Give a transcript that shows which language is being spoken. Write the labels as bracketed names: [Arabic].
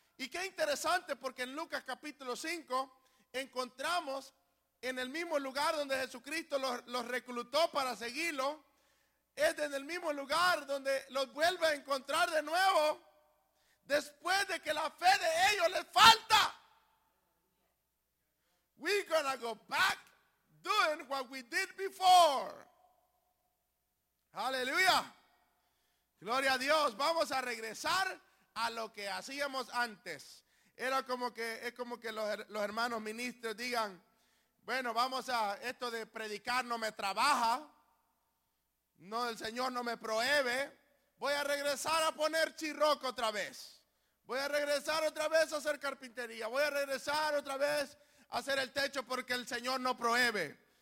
[Spanish] Y qué interesante, porque en Lucas capítulo 5 encontramos en el mismo lugar donde Jesucristo los reclutó para seguirlo, es en el mismo lugar donde los vuelve a encontrar de nuevo, después de que la fe de ellos les falta. [English] We're gonna go back doing what we did before. [Spanish] Aleluya. Gloria a Dios. Vamos a regresar a lo que hacíamos antes. Era como que, es como que los hermanos ministros digan, bueno, vamos a, esto de predicar no me trabaja, no, el Señor no me prohíbe, voy a regresar a poner chirroco otra vez, voy a regresar otra vez a hacer carpintería, voy a regresar otra vez a hacer el techo porque el Señor no prohíbe.